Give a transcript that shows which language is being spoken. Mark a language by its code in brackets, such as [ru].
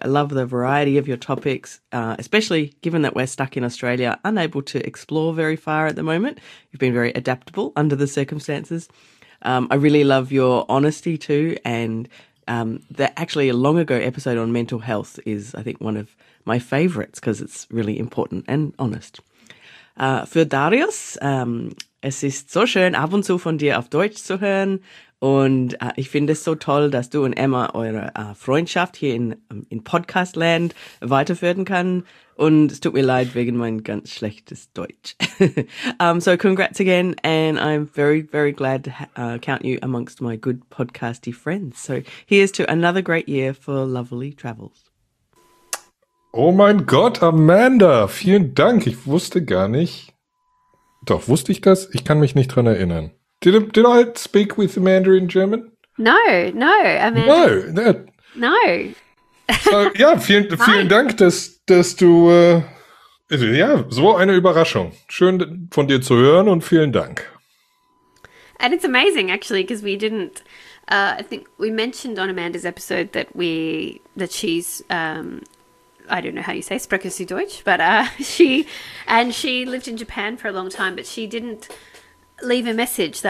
[en] I love the variety of your topics, especially given that we're stuck in Australia, unable to explore very far at the moment. You've been very adaptable under the circumstances. I really love your honesty too. And a long ago episode on mental health is, I think, one of my favourites because it's really important and honest. [de] Für Darius, es ist so schön, ab und zu von dir auf Deutsch zu hören. Und ich finde es so toll, dass du und Emma eure Freundschaft hier in Podcastland weiterführen kann. Und es tut mir leid wegen mein ganz schlechtes Deutsch. [en] So congrats again. And I'm very, very glad to count you amongst my good podcasty friends. So here's to another great year for Lovely Travels. [de] Oh mein Gott, Amanda, vielen Dank. Ich wusste gar nicht. Doch, wusste ich das? Ich kann mich nicht dran erinnern. [en] Did I speak with Amanda in German? No, Amanda. No. [de] So, ja, vielen Dank, dass du, ja, so eine Überraschung. Schön, von dir zu hören und vielen Dank. [en] And it's amazing, actually, because we didn't, I think we mentioned on Amanda's episode that she's, I don't know how you say, [de] spreche sie Deutsch, [en] but she lived in Japan for a long time, but she didn't leave a message.